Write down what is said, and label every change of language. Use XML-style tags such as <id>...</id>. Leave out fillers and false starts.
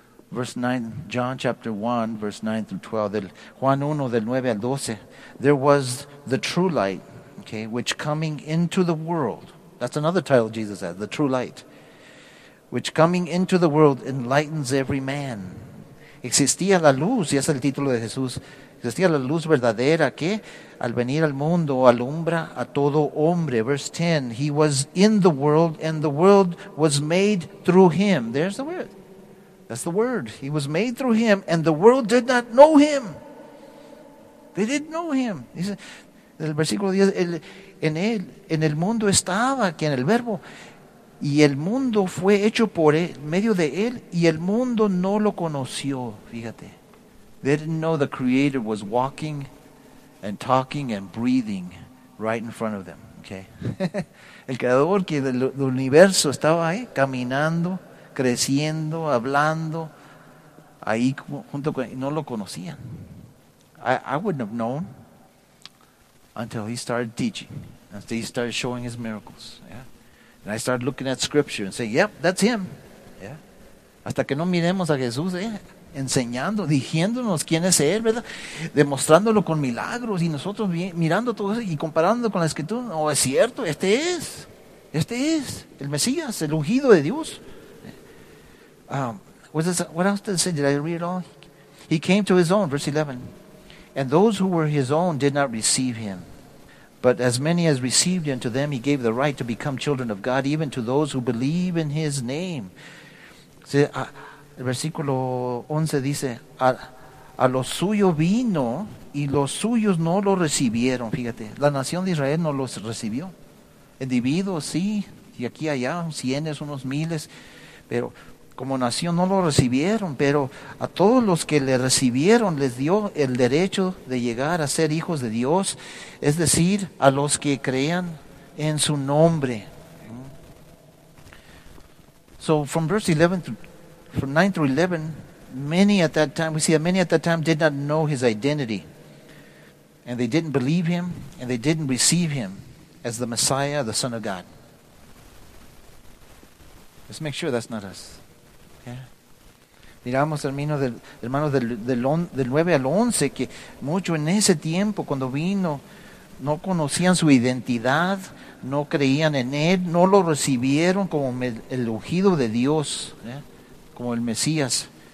<en>Verse 9, John chapter 1, verse 9 through 12.</en> <es>Juan 1, del 9 al 12.</es> <en>There was the true light, okay, which coming into the world. That's another title Jesus has, the true light, which coming into the world enlightens every man.</en> <es>Existía la luz, y ese es el título de Jesús. Existía la luz verdadera que al venir al mundo alumbra a todo hombre.</es> <en>Verse 10, he was in the world and the world was made through him. There's the word. That's the word. He was made through him and the world did not know him. They didn't know him.</en> <es>El versículo 10, en el mundo estaba aquí en el verbo y el mundo fue hecho por él, medio de él y el mundo no lo conoció.</es> <en>Fíjate, they didn't know the creator was walking and talking and breathing right in front of them, okay?</en> <es>El creador que del universo estaba ahí caminando, creciendo, hablando ahí junto con él, no lo conocían.</es> <en>I wouldn't have known. until he started teaching, until he started showing his miracles. Yeah. And I started looking at scripture and say, yep, that's him. Yeah.</en> <es>Hasta que no miremos a Jesús, enseñando, diciéndonos quién es él, ¿verdad? Demostrándolo con milagros y nosotros mirando todo eso y comparando con la escritura. No, es cierto, este es el Mesías, el ungido de Dios.</es> <en>What else did it say? Did I read it all? He came to his own, verse 11. And those who were his own did not receive him. But as many as received him, to them he gave the right to become children of God, even to those who believe in his name.</en> <es>El versículo 11 dice, a los suyos vino y los suyos no lo recibieron. Fíjate, la nación de Israel no los recibió. Individuos, sí, y aquí allá, cientos, unos miles, pero como nación no lo recibieron, pero a todos los que le recibieron les dio el derecho de llegar a ser hijos de Dios, es decir, a los que crean en su nombre.</es> <en>So from verse 11 to, from 9 through 11, many at that time, we see that many at that time did not know his identity. And they didn't believe him, and they didn't receive him as the Messiah, the Son of God. Let's make sure that's not us. Yeah.</en> <es>Miramos, hermanos, del 9 al 11, que mucho en ese tiempo, cuando vino, no conocían su identidad. No creían en él, no lo recibieron como el ungido de Dios, ¿eh? Como el Mesías.</es>